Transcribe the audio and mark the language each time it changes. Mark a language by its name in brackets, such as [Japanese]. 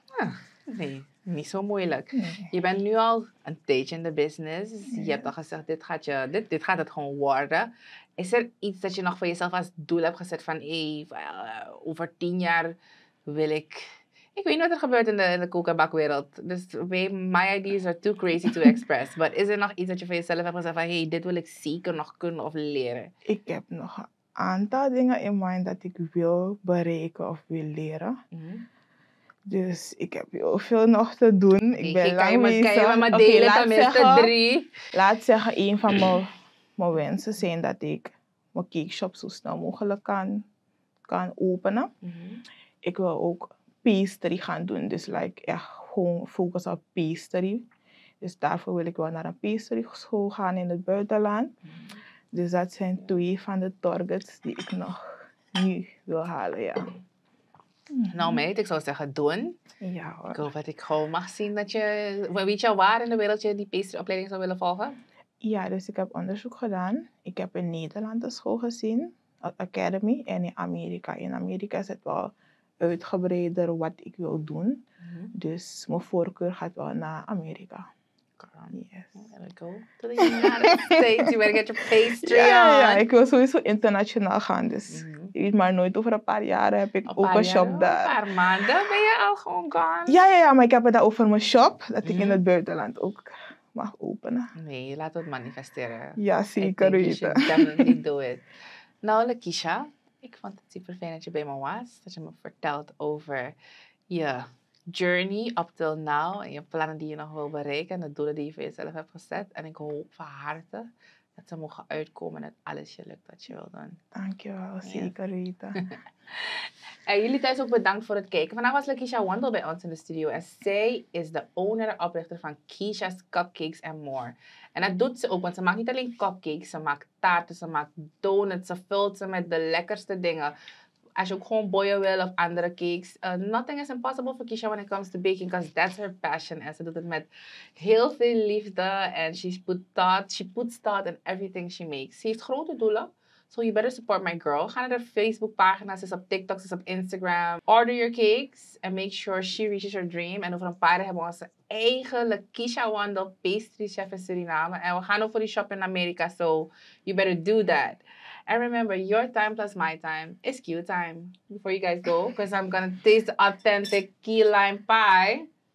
[Dutch] Ah, nee, niet zo moeilijk. Nee. Je bent nu al een tijdje in de business. Nee. Je hebt al gezegd, dit gaat het gewoon worden. Is er iets dat je nog voor jezelf als doel hebt gezet van, over 10 jaar wil ik... Ik weet niet wat er gebeurt in de koek- en bakwereld. [English] Dus my ideas are too crazy to express. [Dutch] Maar is er nog iets dat je voor jezelf hebt gezegd van, dit wil ik zeker nog kunnen of leren? Ik heb nog aantal dingen [English] in mind [Dutch] dat ik wil bereiken of wil leren. Mm-hmm. Dus ik heb heel veel nog te doen. Ik ben lang bezig. Kan je me delen tenminste 3? Laat zeggen, een van mijn wensen zijn dat ik mijn cakeshop zo snel mogelijk kan openen. Mm-hmm. Ik wil ook pastry gaan doen. Dus echt gewoon focus op pastry. Dus daarvoor wil ik wel naar een pastry school gaan in het buitenland. Mm-hmm. Dus dat zijn 2 van de targets die ik nog nu wil halen, ja. Nou meid, ik zou zeggen doen. Ja hoor. Ik hoop dat ik gewoon mag zien dat je... Weet je waar in de wereld je die pastryopleiding zou willen volgen? Ja, dus ik heb onderzoek gedaan. Ik heb in Nederland een school gezien. Academy. En in Amerika. In Amerika is het wel uitgebreider wat ik wil doen. Mm-hmm. Dus mijn voorkeur gaat wel naar Amerika. [English] Yes. Let go to the United States. You better get your pastry. [Dutch] Ja, ik wil sowieso internationaal gaan. Dus mm-hmm. weet maar nooit, over een paar jaren heb ik ook een shop daar. Een paar maanden ben je al gewoon gone. Ja, maar ik heb het daar over mijn shop. Dat ik in het buitenland ook mag openen. Nee, laat het manifesteren. Ja, zeker weten. [English] You should definitely do it. [Dutch] Nou, Keisha, ik vond het super fijn dat je bij me was. Dat je me vertelt over je [English] journey up till now [Dutch] en je plannen die je nog wil bereiken en de doelen die je voor jezelf hebt gezet. En ik hoop van harte dat ze mogen uitkomen en dat alles je lukt wat je wil doen. Dankjewel, zeker weten. En jullie thuis ook bedankt voor het kijken. Vandaag was Keisha Wandel bij ons in de studio en zij is de owner en oprichter van Keisha's Cupcakes and More. En dat doet ze ook, want ze maakt niet alleen cupcakes, ze maakt taarten, ze maakt donuts, ze vult ze met de lekkerste dingen. Als je ook gewoon boeien wil of andere cakes. [English] Nothing is impossible for Keisha when it comes to baking. Because that's her passion. [Dutch] En ze doet het met heel veel liefde. [English] En she puts thought in everything she makes. [Dutch] Ze heeft grote doelen. [English] So you better support my girl. [Dutch] Ga naar haar Facebookpagina. Ze is op TikTok. Ze is op Instagram. [English] Order your cakes. And make sure she reaches her dream. [Dutch] En over een paar jaar hebben we onze eigen Keisha Wandel pastry chef in Suriname. En we gaan ook voor die shop in Amerika. [English] So you better do that. And remember, your time plus my time is Q time. Before you guys go, because I'm going to taste the authentic key lime pie.